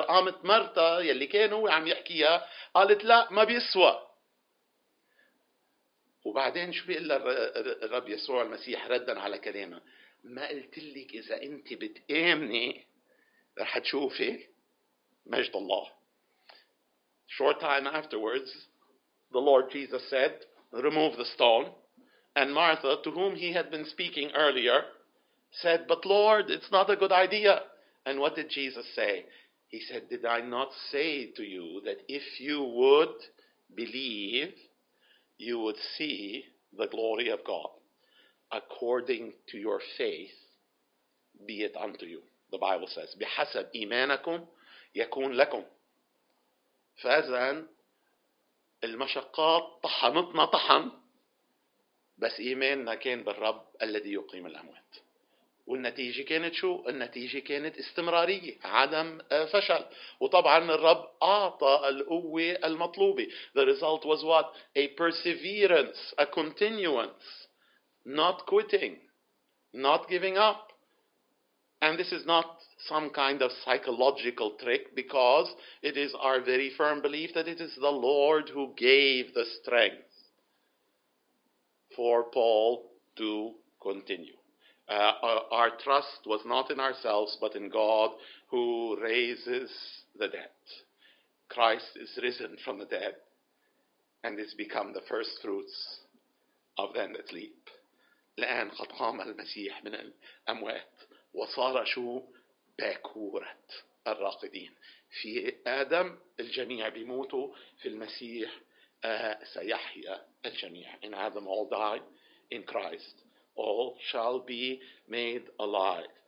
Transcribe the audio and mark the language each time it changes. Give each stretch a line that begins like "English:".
Arabic: قامت مرتا يلي كان هو عم يحكيها قالت لا ما بيسوى. وبعدين شو بيقول الرب يسوع المسيح ردا على كلامه؟ ما قلت لك إذا أنت بتآمني رح تشوفي مجد الله.
English: Short time afterwards, the Lord Jesus said, remove the stone. And Martha, to whom he had been speaking earlier, said, but Lord, it's not a good idea. And what did Jesus say? He said, did I not say to you that if you would believe, you would see the glory of God? According to your faith, be it unto you. The Bible says,
Arabic: بحسب إيمانكم يكون لكم. فإذن المشقات طحنتنا طحن بس إيماننا كان بالرب الذي يقيم الأموات. والنتيجة كانت شو؟ النتيجة كانت استمرارية، عدم فشل. وطبعا الرب أعطى القوة المطلوبة.
English: The result was what? A perseverance, a continuance. Not quitting, not giving up. And this is not some kind of psychological trick, because it is our very firm belief that it is the Lord who gave the strength for Paul to continue. Our trust was not in ourselves, but in God who raises the dead. Christ is risen from the dead and has become the first fruits of them that sleep.
Arabic: الآن قد قام المسيح من الأموات وصار شو باكورة الراقدين في آدم الجميع بيموتوا في المسيح سيحيا الجميع.
English: In Adam all die, in Christ all shall be made alive.